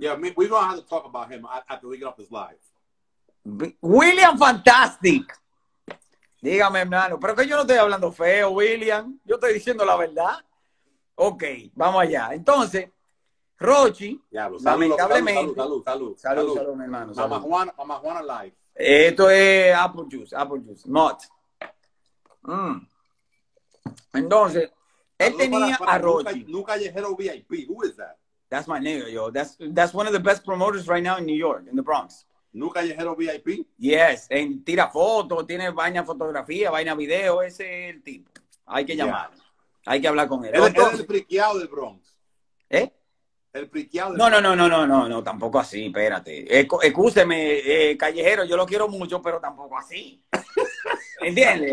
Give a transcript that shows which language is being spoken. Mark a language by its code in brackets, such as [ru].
[en] Yeah, we're gonna have to talk about him after we get off this live. William Fantastic. [es] Dígame, hermano, pero que yo no estoy hablando feo, William. Yo estoy diciendo la verdad. Ok, vamos allá. Entonces, Rochy, ya, lamentablemente. Salud, mi hermano. Mamá Juana Live. Esto es Apple Juice, Mott. Mm. Entonces, salud, él tenía para a Rochy. [en] Luca Callejero VIP, who is that? That's my nigga, yo. That's one of the best promoters right now in New York, in the Bronx. [es] ¿Luca Callejero VIP? Yes, en tira fotos, tiene vaina fotografía, vaina video, ese es el tipo. Hay que llamar, yeah. Hay que hablar con él. Entonces, el friqueado del Bronx. ¿Eh? El friqueado del Bronx. No, tampoco así, espérate. Escúcheme, Callejero, yo lo quiero mucho, pero tampoco así. ¿Entiendes?